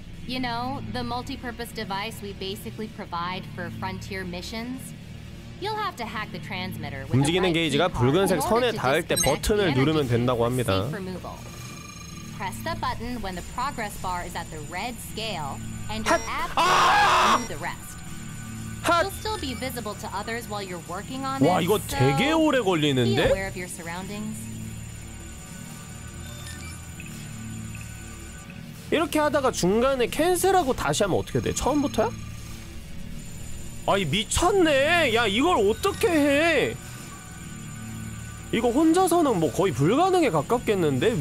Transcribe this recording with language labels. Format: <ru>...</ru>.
<en>You know, the multi-purpose device we basically provide for frontier missions. You'll have to hack the transmitter.</en> <ko>움직이는 게이지가 붉은색 선에 닿을 때 버튼을 누르면 된다고 합니다.</ko> <en>Press the button when the progress bar is at the red scale and the rest. You'll still be visible to others while you're working on it.</en> <ko>와, 이거 되게 오래 걸리는데? 이렇게 하다가 중간에 캔슬하고 다시 하면 어떻게 돼? 처음부터야? 아이 미쳤네! 야 이걸 어떻게 해! 이거 혼자서는 뭐 거의 불가능에 가깝겠는데?</ko>